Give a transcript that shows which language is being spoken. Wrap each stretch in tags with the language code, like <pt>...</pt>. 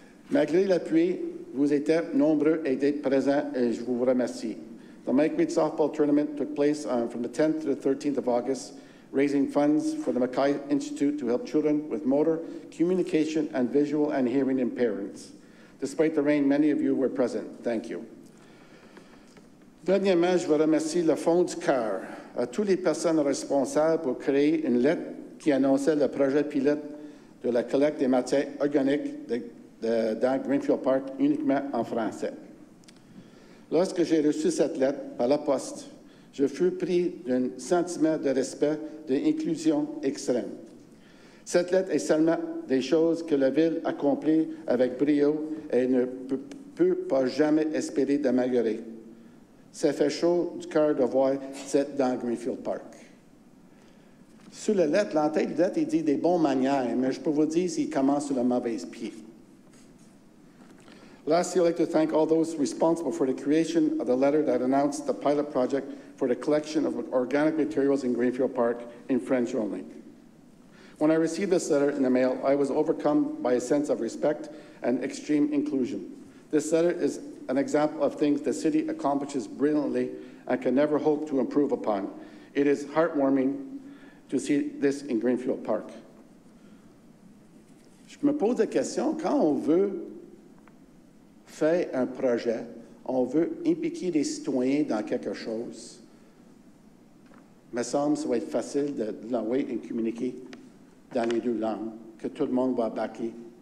<fr>Malgré l'appui, vous étiez nombreux et d'être présents et je vous remercie.</fr> <en>The Mike Reed Softball Tournament took place from the 10th to the 13th of August, raising funds for the Mackay Institute to help children with motor, communication, and visual and hearing impairments. Despite the rain, many of you were present. Thank you.</en> <fr>Dernièrement, je veux remercier le Fonds du Cœur, à toutes les personnes responsables pour créer une lettre qui annonçait le projet pilote de la collecte des matières organiques dans Greenfield Park uniquement en français. Lorsque j'ai reçu cette lettre par la poste, je fus pris d'un sentiment de respect, d'inclusion extrême. Cette lettre est seulement des choses que la ville accomplit avec brio et ne peut pas jamais espérer d'améliorer. Ça fait chaud du cœur de voir cette dans Greenfield Park. Sur la lettre, l'entête de la lettre, il dit des bonnes manières, mais je peux vous dire qu'il commence sur le mauvais pied.</fr> <en>Lastly, I'd like to thank all those responsible for the creation of the letter that announced the pilot project for the collection of organic materials in Greenfield Park in French only. When I received this letter in the mail, I was overcome by a sense of respect and extreme inclusion. This letter is an example of things the city accomplishes brilliantly and can never hope to improve upon. It is heartwarming to see this in Greenfield Park.</en> <fr>Je me pose la question, quand on veut faire un projet, on veut impliquer les citoyens dans quelque chose, il me semble que ça va être facile de l'envoyer et communiquer dans les deux langues, que tout le monde va backer.</fr>